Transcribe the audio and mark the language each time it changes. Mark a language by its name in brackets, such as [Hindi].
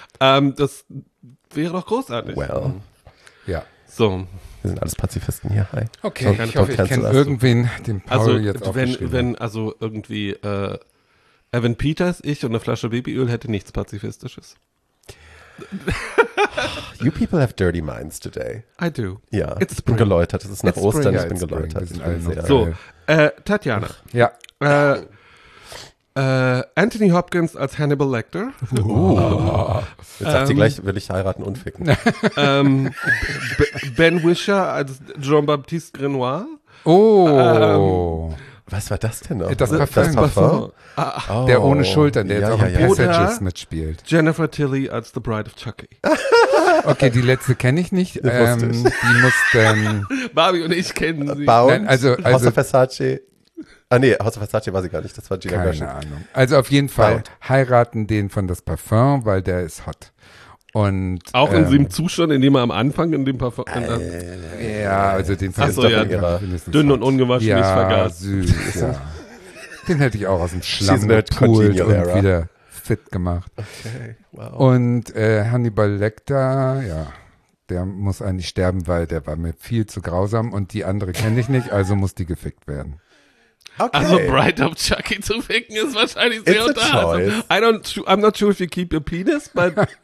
[German] Das wäre doch großartig. Well, ja. So. Wir sind alles Pazifisten hier, hi. Okay, so, ich hoffe, ich kenne irgendwen, den Paul also, jetzt auch wenn also irgendwie Evan Peters, ich und eine Flasche Babyöl hätte nichts Pazifistisches. [English] You people have dirty minds today. I do. [German] Ja, ich bin geläutert. Es ist nach Ostern, ich bin geläutert. So, Tatjana. Ja. Anthony Hopkins als Hannibal Lecter. Jetzt sagt sie gleich, will ich heiraten und ficken. Ben Whishaw als Jean-Baptiste Grenoir. Oh. Was war das denn noch? Das Parfum. Der ohne Schultern, der jetzt auch in Passages mitspielt. Jennifer Tilly als The Bride of Chucky. Okay, die letzte kenne ich nicht. Die muss dann. Barbie und ich kennen sie. Bound, nein, also House of Versace. Ah nee, House of Versace war sie gar nicht. Das war Gina Gershon. Keine Ahnung. Also auf jeden Fall heiraten den von Das Parfum, weil der ist hot. Und, auch in dem Zustand, in dem er am Anfang in dem Parfum. Ja, also den Zustand. Achso, ja, dünn und ungewaschen, ja, nicht vergaß. Süß, ja. Den hätte ich auch aus dem Schlamm gepult und wieder fit gemacht. Okay, wow. Und Hannibal Lecter, ja, der muss eigentlich sterben, weil der war mir viel zu grausam und die andere kenne ich nicht, also muss die gefickt werden. Okay. Also Bride of Chucky zu ficken ist wahrscheinlich sehr unterhaltsam. [English] I'm not sure if you keep your penis, but